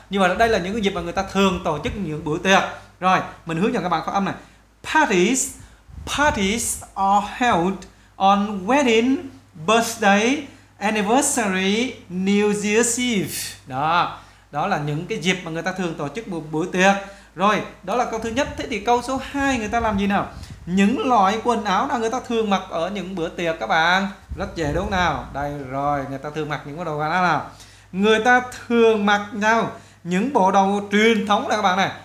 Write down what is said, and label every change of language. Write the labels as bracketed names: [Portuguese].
[Vietnamese] Nhưng mà đây là những cái dịp mà người ta thường tổ chức những bữa tiệc. Rồi, mình hướng dẫn các bạn phát âm này. [English] Parties are held on wedding, birthday, anniversary, New Year's Eve. [Vietnamese] Đó, đó là những cái dịp mà người ta thường tổ chức một bữa tiệc. Rồi, đó là câu thứ nhất. Thế thì câu số 2 người ta làm gì nào? Những loại quần áo nào người ta thường mặc ở những bữa tiệc các bạn? Rất dễ đúng không nào? Đây rồi, người ta thường mặc những bộ đồ quần áo nào? Người ta thường mặc nhau những bộ đồ truyền thống này các bạn này.